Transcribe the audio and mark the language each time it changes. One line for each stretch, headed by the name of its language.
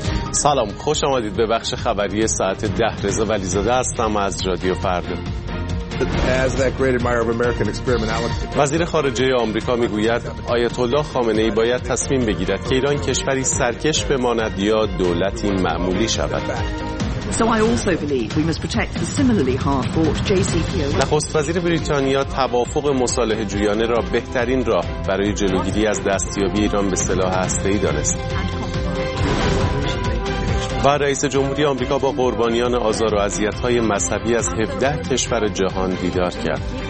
Persian: سلام، خوش آمدید به بخش خبری ساعت 10. رضا ولی‌زاده هستم از رادیو فردا.
English: As that great admirer of American experiment,
Persian: وزیر خارجه آمریکا میگوید آیت الله خامنه ای باید تصمیم بگیرد که ایران کشوری سرکش بماند یا دولتی معمولی شود.
English: So I also believe we must protect the similarly hard-fought JCPOA.
Persian: نخست وزیر بریتانیا توافق مصالحه جویانه را بهترین راه برای جلوگیری از دستیابی ایران به سلاح هسته‌ای دانست. و رئیس جمهوری آمریکا با قربانیان آزار و اذیت‌های مذهبی از 17 کشور جهان دیدار کرد.